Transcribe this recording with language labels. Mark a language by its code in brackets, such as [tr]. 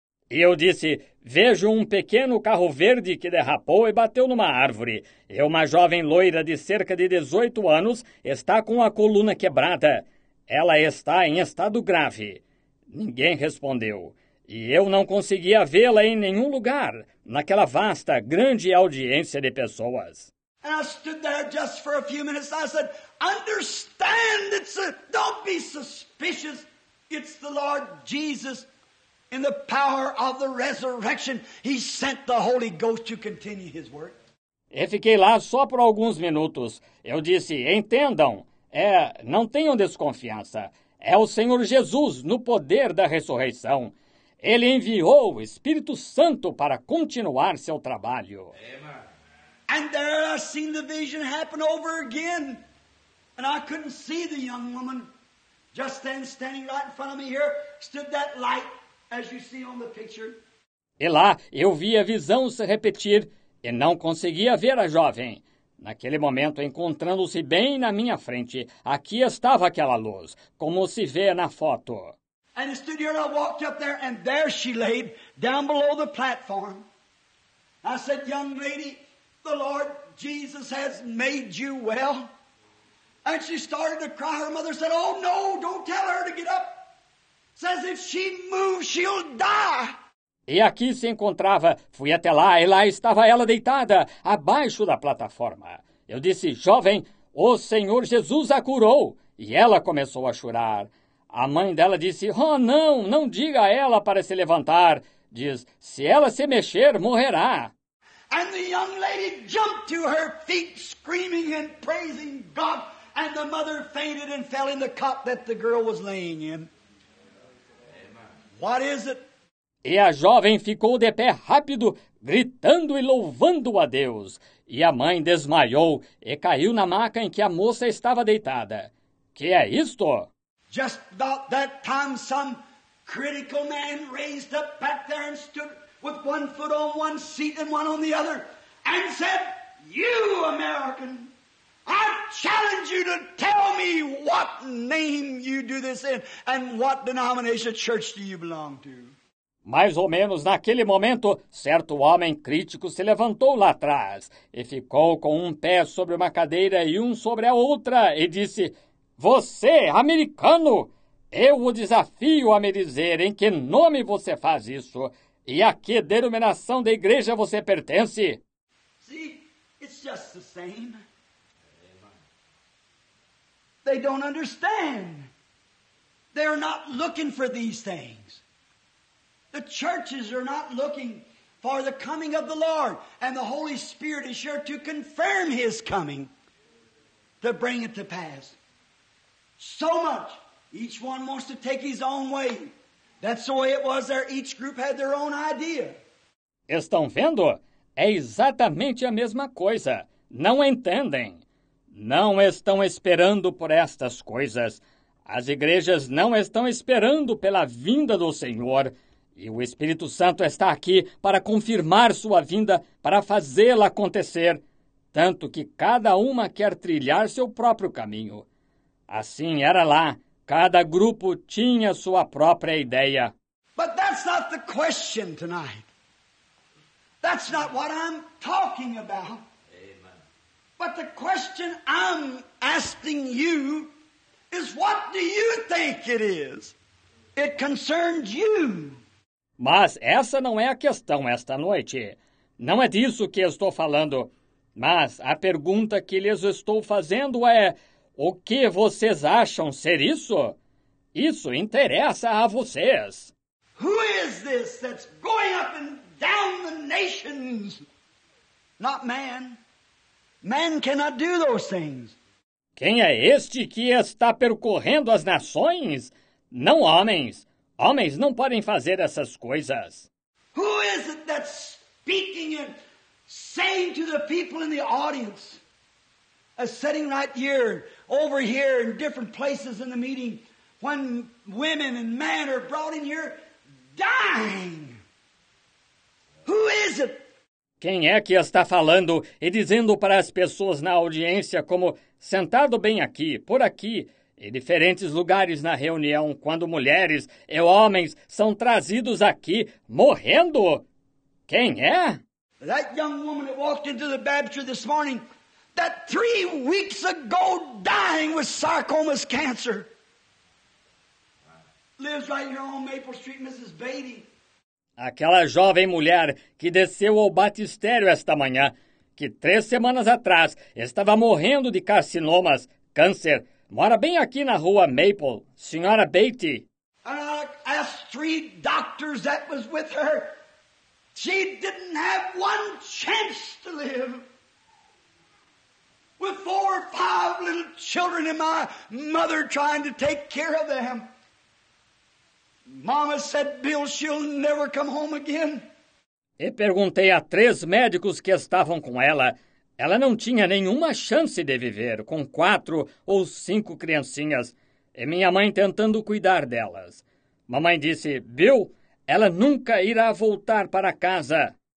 [pt] E eu disse, vejo um pequeno carro verde que derrapou e bateu numa árvore. E uma jovem loira de cerca de 18 anos está com a coluna quebrada. Ela está em estado grave. Ninguém respondeu. E eu não conseguia vê-la em nenhum lugar, naquela vasta, grande audiência de pessoas. [en] And I stood there just for a few minutes. I said, understand, don't be suspicious. It's the Lord Jesus in the power of the resurrection. He sent the Holy Ghost to continue his work. [pt] E fiquei lá só por alguns minutos. Eu disse, entendam. Não tenham desconfiança. É o Senhor Jesus no poder da ressurreição. Ele enviou o Espírito Santo para continuar seu trabalho. [en] And there I seen the vision happen over again. And I couldn't see the young woman. Just then, standing right in front of me here, stood that light, as you see on the picture. [pt] E lá, eu vi a visão se repetir e não conseguia ver a jovem. Naquele momento, encontrando-se bem na minha frente, aqui estava aquela luz, como se vê na foto. [en] And I stood here and I walked up there, and there she laid, down below the platform. I said, young lady, the Lord Jesus has made you well. And she started to cry. Her mother said, oh no, don't tell her to get up. Says if she moves, she'll die. [pt] E aqui se encontrava, fui até lá e lá estava ela deitada, abaixo da plataforma. Eu disse, jovem, o Senhor Jesus a curou. E ela começou a chorar. A mãe dela disse, oh não, não diga a ela para se levantar. Diz, se ela se mexer, morrerá. [en] And the young lady jumped to her feet, screaming and praising God. And the mother fainted and fell in the cot that the girl was laying in. What is it? [pt] E a jovem ficou de pé rápido, gritando e louvando a Deus. E a mãe desmaiou e caiu na maca em que a moça estava deitada. Que é isto? [en] Just about that time, some critical man raised up back there and stood with one foot on one seat and one on the other and said, you, American, I challenge you to tell me what name you do this in and what denomination church do you belong to. [pt] Mais ou menos naquele momento, certo homem crítico se levantou lá atrás e ficou com um pé sobre uma cadeira e um sobre a outra e disse, você, americano, eu o desafio a me dizer em que nome você faz isso e a que denominação da igreja você pertence. [en] See, it's just the same. They don't understand. They're not looking for these things. The churches are not looking for the coming of the Lord. And the Holy Spirit is here to confirm His coming, to bring it to pass. So much. Each one wants to take his own way. That's the way it was there. Each group had their own idea. [pt] Estão vendo? É exatamente a mesma coisa. Não entendem. Não estão esperando por estas coisas. As igrejas não estão esperando pela vinda do Senhor. E o Espírito Santo está aqui para confirmar sua vinda, para fazê-la acontecer. Tanto que cada uma quer trilhar seu próprio caminho. Assim era lá. Cada grupo tinha sua própria ideia. [en] But that's not the question tonight. That's not what I'm talking about. Amen. But the question I'm asking you is, what do you think it is? It concerns you. [pt] Mas essa não é a questão esta noite. Não é disso que estou falando. Mas a pergunta que lhes estou fazendo é, o que vocês acham ser isso? Isso interessa a vocês. [en] Who is this that's going up and down the nations? Not man. Man cannot do those things. [pt] Quem é este que está percorrendo as nações? Não homens. Homens não podem fazer essas coisas. [en] Who is it that's speaking and saying to the people in the audience? Sitting right here, over here, in different places in the meeting, when women and men are brought in here, dying. Who is it? [pt] Quem é que está falando e dizendo para as pessoas na audiência, como sentado bem aqui, por aqui, em diferentes lugares na reunião, quando mulheres e homens são trazidos aqui, morrendo? Quem é? [en] That young woman that walked into the baptistry this morning, that 3 weeks ago dying with sarcoma's cancer. Lives right here on Maple Street, Mrs. Beatty. [pt] Aquela jovem mulher que desceu ao batistério esta manhã, que 3 semanas atrás estava morrendo de carcinomas, câncer, mora bem aqui na rua Maple, senhora Beatty. [en] Asked 3 doctors that was with her. She didn't have one chance to live. With 4 or 5 little children and my mother trying to take care of them. Mama said, Bill, she'll never come home again. [pt] E perguntei a 3 médicos que estavam com ela. Ela não tinha nenhuma chance de viver com 4 ou 5 criancinhas. E minha mãe tentando cuidar delas. Mamãe disse, Bill, ela nunca irá voltar para casa.